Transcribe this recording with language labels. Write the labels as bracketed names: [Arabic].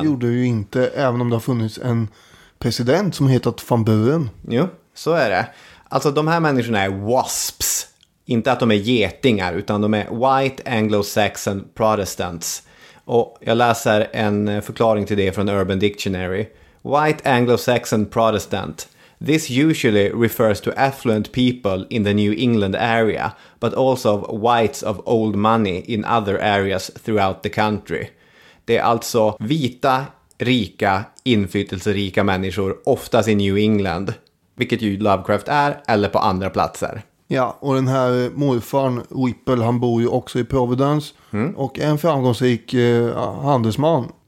[Swedish] Det gjorde ju inte, även om det har funnits en president som hetat van Buren. Jo, så är det. Alltså, de här människorna är wasps. Inte att de är getingar, utan de är white anglo-saxon protestants. Och jag läser en förklaring till det från Urban Dictionary. [English] White anglo-saxon protestant. This usually refers to affluent people in the New England area, but also of whites of old money in other areas throughout the country. [Swedish] Det är alltså vita, rika, inflytelserika människor, oftast i New England, vilket ju Lovecraft är, eller på andra platser. Ja, och den här morfaren Whipple, han bor ju också i Providence och är en framgångsrik handelsman.